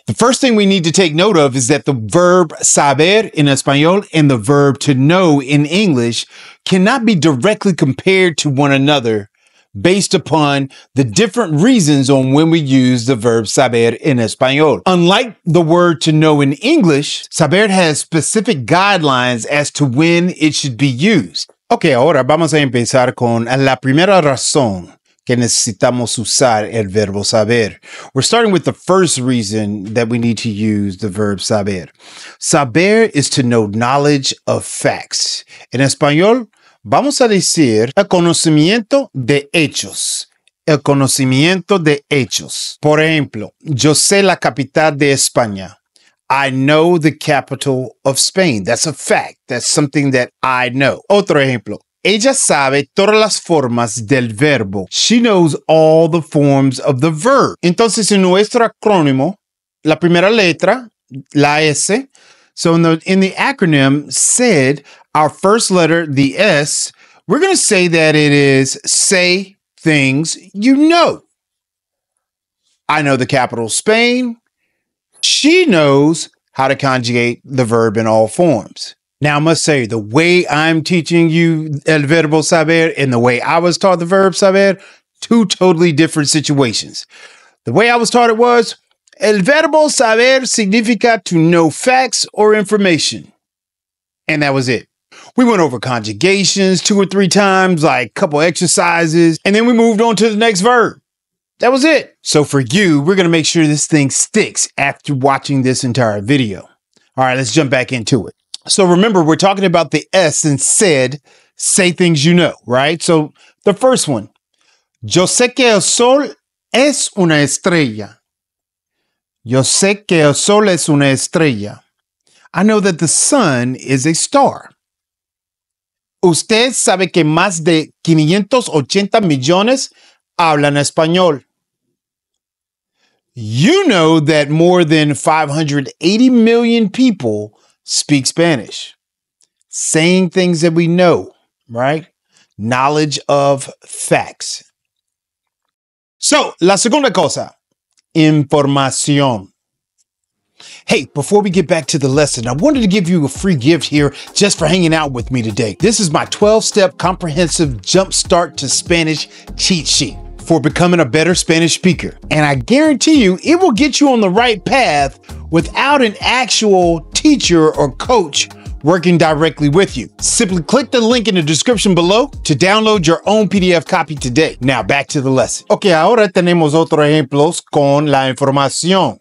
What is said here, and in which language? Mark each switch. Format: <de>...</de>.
<en>The first thing we need to take note of is that the verb saber in Espanol and the verb to know in English cannot be directly compared to one another based upon the different reasons on when we use the verb saber in Espanol. Unlike the word to know in English, saber has specific guidelines as to when it should be used.</en> <es>Okay, ahora vamos a empezar con la primera razón que necesitamos usar el verbo saber.</es> <en>We're starting with the first reason that we need to use the verb saber. Saber is to know knowledge of facts.</en> <es>In Espanol, vamos a decir el conocimiento de hechos. El conocimiento de hechos. Por ejemplo, yo sé la capital de España.</es> <en>I know the capital of Spain. That's a fact. That's something that I know.</en> <es>Otro ejemplo. Ella sabe todas las formas del verbo.</es> <en>She knows all the forms of the verb.</en> <es>Entonces, en nuestro acrónimo, la primera letra, la S.</es> <en>So in the acronym, SAID, our first letter, the S, we're going to say that it is say things you know. I know the capital of Spain. She knows how to conjugate the verb in all forms. Now, I must say, the way I'm teaching you</en> <es>el verbo saber</es> <en>and the way I was taught the verb saber, two totally different situations. The way I was taught it was,</en> <es>el verbo saber significa</es> <en>to know facts or information. And that was it. We went over conjugations two or three times, like a couple exercises, and then we moved on to the next verb. That was it. So for you, we're going to make sure this thing sticks after watching this entire video. All right, let's jump back into it. So remember, we're talking about the S and said, say things you know, right? So the first one,</en> <es>yo sé que el sol es una estrella. Yo sé que el sol es una estrella.</es> <en>I know that the sun is a star.</en> <es>Usted sabe que más de 580 millones hablan español.</es> <en>You know that more than 580 million people speak Spanish. Saying things that we know, right? Knowledge of facts.</en> <es>So, la segunda cosa, información.</es> <en>Hey, before we get back to the lesson, I wanted to give you a free gift here just for hanging out with me today. This is my 12-step comprehensive jumpstart to Spanish cheat sheet for becoming a better Spanish speaker. And I guarantee you, it will get you on the right path without an actual teacher or coach working directly with you. Simply click the link in the description below to download your own PDF copy today. Now back to the lesson.</en> <es>Okay, ahora tenemos otro ejemplo con la información.</es>